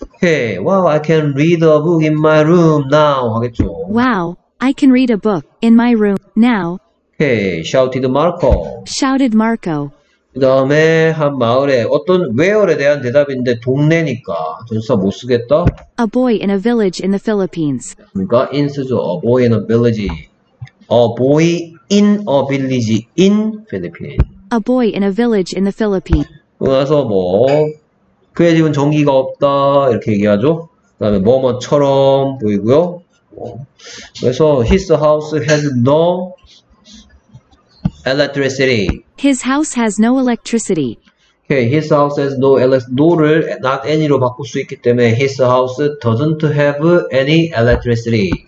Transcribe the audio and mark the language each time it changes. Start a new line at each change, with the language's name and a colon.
English: 오케이. Wow, I can read a book in my room now
Korean: 하겠죠.
English: Wow, I can read a book in my room now. 오케이. Shouted Marco. Shouted Marco.
Korean: 그다음에 한 마을에 어떤 where에 대한 대답인데 동네니까 전사 못 쓰겠다.
English: A boy in a village in the Philippines.
Korean: 그러니까 in 쓰죠.
English: A boy in a village. A boy in a village in Philippines. A boy in a village in the Philippines.
Korean: 그래서 그의 집은 전기가 없다 이렇게 얘기하죠. 그다음에 뭐뭐처럼 보이고요. 그래서
English: his house has no electricity. His house has no electricity. Okay, his house has no
Korean: no를 not any로 바꿀 수 있기 때문에
English: his house doesn't have any electricity.